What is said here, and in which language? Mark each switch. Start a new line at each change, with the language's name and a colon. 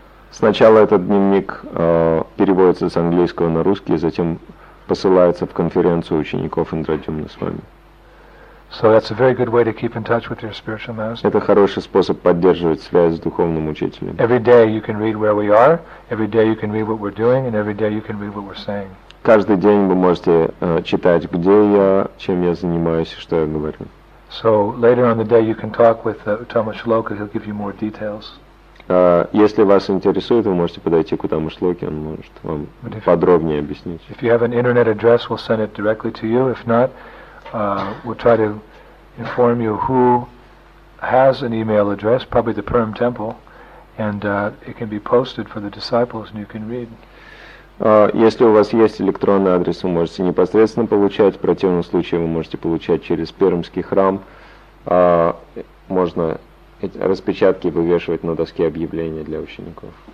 Russian: Сначала этот дневник переводится с английского на русский, затем посылается в конференцию учеников Индра-Дхимны Свами.
English: So that's a very good way to keep in touch with your spiritual master.
Russian: Это хороший способ поддерживать связь с духовным учителем.
English: Every day you can read where we are, every day you can read what we're doing, and every day you can read what we're saying.
Russian: Каждый день вы можете читать, где я, чем я занимаюсь, что я говорю.
English: So later on the day you can talk with Uttama Shloka, he'll give you more details.
Russian: Если вас интересует, вы можете подойти к Уттама Шлоке, он может вам подробнее объяснить.
English: If you have an internet address, we'll send it directly to you. If not, we'll try to inform you who has an email address, probably the Perm Temple, and it can be posted for the disciples, and you can read.
Russian: Если у вас есть электронный адрес, вы можете непосредственно получать. В противном случае, вы можете получать через Пермский храм. Можно распечатки вывешивать на доске объявления для учеников.